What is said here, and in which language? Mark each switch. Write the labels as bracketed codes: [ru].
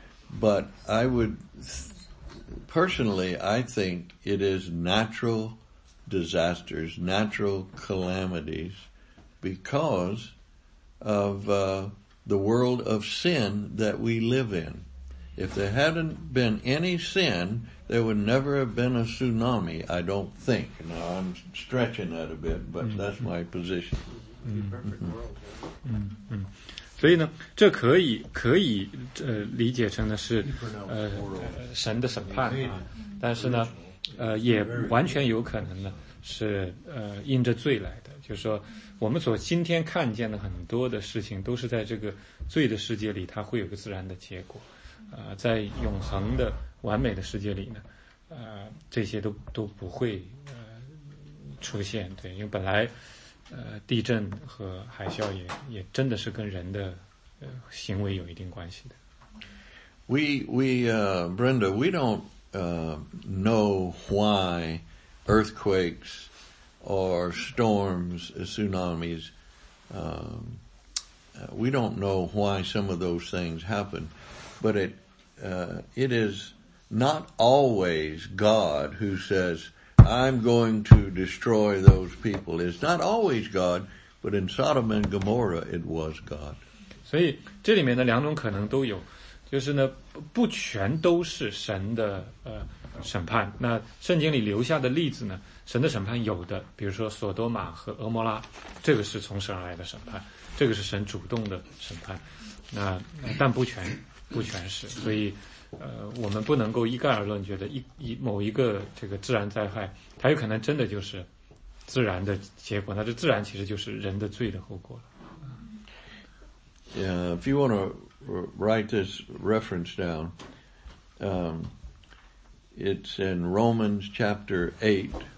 [en] But I would... Personally, I think it is natural disasters, natural calamities, because of the world of sin that we live in. If there hadn't been any sin, there would never have been a tsunami, I don't think. Now, I'm stretching that a bit, but mm-hmm. that's my position. [zh] 所以呢，这可以理解成的是神的审判啊，但是呢，也完全有可能呢是因着罪来的。就是说，我们所今天看见的很多的事情，都是在这个罪的世界里，它会有个自然的结果。在永恒的完美的世界里呢，这些都不会出现。对，因为本来。地震和海啸也真的是跟人的行为有一定关系的。 [en] Brenda, we don't know why earthquakes or storms, tsunamis, we don't know why some of those things happen, but it is not always God who says,I'm going to destroy those people. It's not always God, but in Sodom and Gomorrah, it was God. [zh] 所以这里面的两种可能都有，就是呢，不全都是神的审判。那圣经里留下的例子呢，神的审判有的，比如说索多玛和俄摩拉，这个是从神而来的审判，这个是神主动的审判。那但不全是，所以。我们不能够一概而论，觉得某一个这个自然灾害，它有可能真的就是自然的结果。那这自然其实就是人的罪的后果了。 [en] If you want to write this reference down, it's in Romans chapter 8.